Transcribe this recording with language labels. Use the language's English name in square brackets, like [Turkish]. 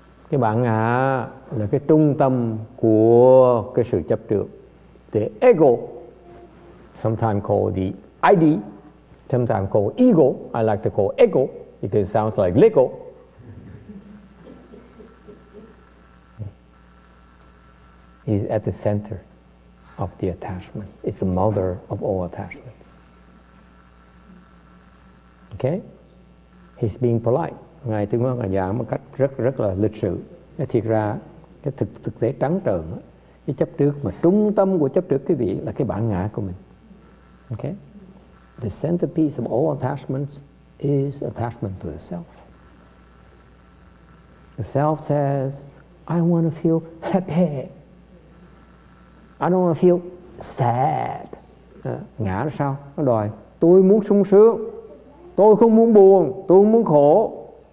[Vietnamese] Cái bản ngã là cái trung tâm của cái sự chấp trước. [English] The ego, sometimes called the ID, sometimes called ego. I like to call ego because it sounds like Lego. Okay. is at the center of the attachment. It's the mother of all attachments. Okay? He's being polite. [Vietnamese] Ngài tuyên bố ngài giảng một cách rất rất là lịch sự. Thiệt ra cái thực thực tế trắng trợn cái chấp trước mà trung tâm của chấp trước quý vị là cái bản ngã của mình. [English] Okay? The centerpiece of all attachments is attachment to the self. The self says, I want to feel happy. I don't want to feel sad. [Vietnamese] Ngã là sao? Nó đòi, tôi muốn sung sướng. Tôi không muốn buồn, tôi không muốn khổ.